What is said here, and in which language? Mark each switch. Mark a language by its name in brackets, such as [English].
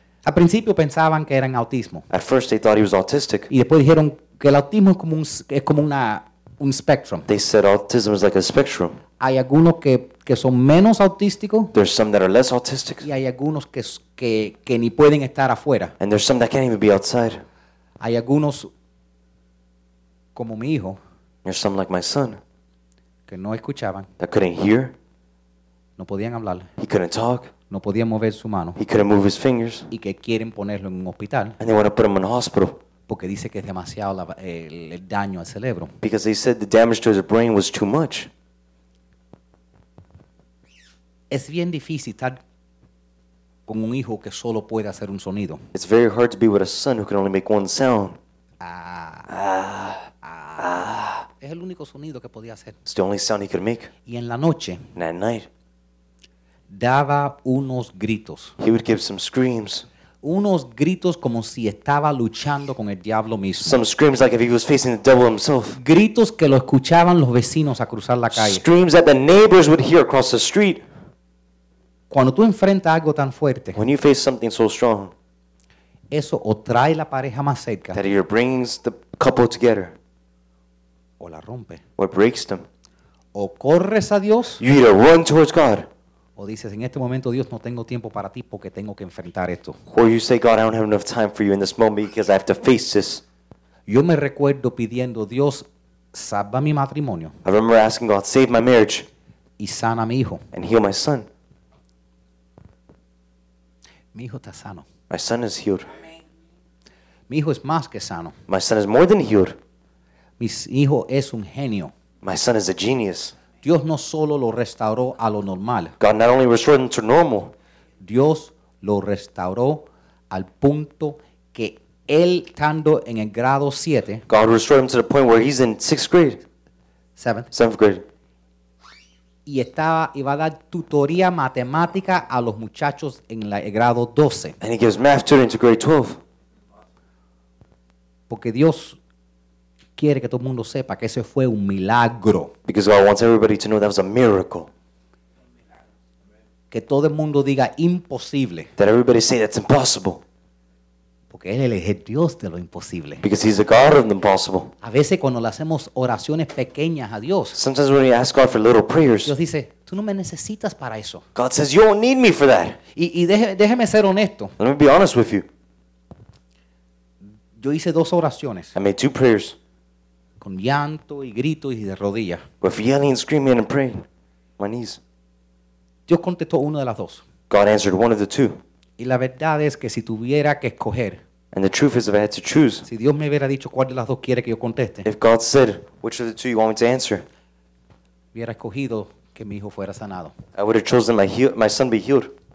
[Spanish] Al principio pensaban que eran autismo. [English] At first they thought he was autistic. [Spanish] Y después dijeron que el autismo es como un spectrum. [English] They said autism is like a spectrum. [Spanish] Hay algunos que son menos autísticos. [English] There's some that are less autistic. [Spanish] Y hay algunos que ni pueden estar afuera. [English] And there's some that can't even be outside. [Spanish] Hay algunos como mi hijo. [English] There's some like my son. [Spanish] Que no escuchaban. [English] That couldn't hear. [Spanish] No podían hablar. [English] He couldn't talk. [Spanish] No podía mover su mano. [English] He couldn't move his fingers. [Spanish] Y que quieren ponerlo en un hospital. [English] And they want to put him in a hospital. [Spanish] Porque dice que es demasiado el daño al cerebro. [English] Because they said the damage to his brain was too much. [Spanish] Es bien difícil estar con un hijo que solo puede hacer un sonido. [English] It's very hard to be with a son who can only make one sound. [Spanish] Es el único sonido que podía hacer. [English] It's the only sound he could make. [Spanish] Y en la noche. [English] And at night. [Spanish] Daba unos gritos. [English] He would give some screams. [Spanish] Unos gritos como si estaba luchando con el diablo mismo. [English] Some screams like if he was facing the devil himself. [Spanish] Gritos que lo escuchaban los vecinos a cruzar la calle. [English] Screams that the neighbors would hear across the street. [Spanish] Cuando tú enfrentas algo tan fuerte. [English] When you face something so strong. [Spanish] Eso o trae la pareja más cerca. [English] That either brings the couple together. [Spanish] O la rompe. [English] Or breaks them. [Spanish] O corres a Dios. [English] You either run towards God. [Spanish] O dices, en este momento, Dios, no tengo tiempo para ti porque tengo que enfrentar esto. [English] Or you say, God, I don't have enough time for you in this moment because I have to face this. [Spanish] Yo me recuerdo pidiendo, Dios, salva mi matrimonio. [English] I remember asking God, save my marriage. [Spanish] Y sana mi hijo. [English] And heal my son. [Spanish] Mi hijo está sano. [English] My son is healed. [Spanish] Mi hijo es más que sano. [English] My son is more than healed. [Spanish] Mi hijo es un genio. [English] My son is a genius. [Spanish] Dios no solo lo restauró a lo normal. [English] God not only restored him to normal. [Spanish] Dios lo restauró al punto que él estando en el grado 7. [English] God restored him to the point where he's in 6th grade. 7th. 7th grade. [Spanish] Y iba a dar tutoría matemática a los muchachos en el grado 12. [English] And he gives math tutoring to grade 12. [Spanish] Porque Dios quiere que todo el mundo sepa que ese fue un milagro. [English] Because God wants everybody to know that was a miracle. [Spanish] Que todo el mundo diga imposible. [English] That everybody say that's impossible. [Spanish] Porque él es el Dios de lo imposible. [English] Because he's the God of the impossible. [Spanish] A veces cuando le hacemos oraciones pequeñas a Dios. [English] Sometimes when you ask God for little prayers. [Spanish] Dios dice, tú no me necesitas para eso. [English] God says, you don't need me for that. [Spanish] Y déjeme ser honesto. [English] Let me be honest with you. [Spanish] Yo hice dos oraciones. [English] I made two prayers. [Spanish] Con llanto y grito y de rodillas. [English] With yelling and screaming and praying. My knees. [Spanish] Dios contestó una de las dos. [English] God answered one of the two. [Spanish] Y la verdad es que si tuviera que escoger. [English] And the truth is, if I had to choose, [Spanish] si Dios me hubiera dicho cuál de las dos quiere que yo conteste, [English] if God said, which of the two you want me to answer, [Spanish] hubiera escogido que mi hijo fuera sanado. [English] I would have chosen my son be healed.